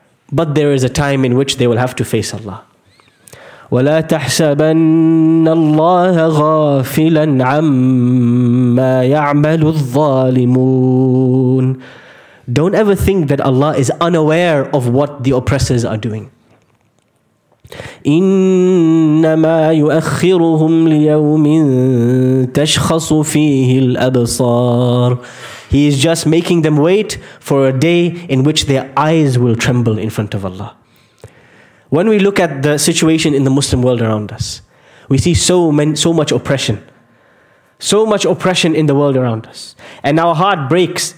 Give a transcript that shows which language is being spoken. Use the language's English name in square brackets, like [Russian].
[English] But there is a time in which they will have to face Allah. [Arabic] وَلَا تَحْسَبَنَّ اللَّهَ غَافِلًا عَمَّا يَعْمَلُ الظَّالِمُونَ. [English] Don't ever think that Allah is unaware of what the oppressors are doing. [Arabic] إنما يؤخرهم ليوم تشخص فيه الأبصار. [English] He is just making them wait for a day in which their eyes will tremble in front of Allah. When we look at the situation in the Muslim world around us, we see so much oppression. So much oppression in the world around us. And our heart breaks.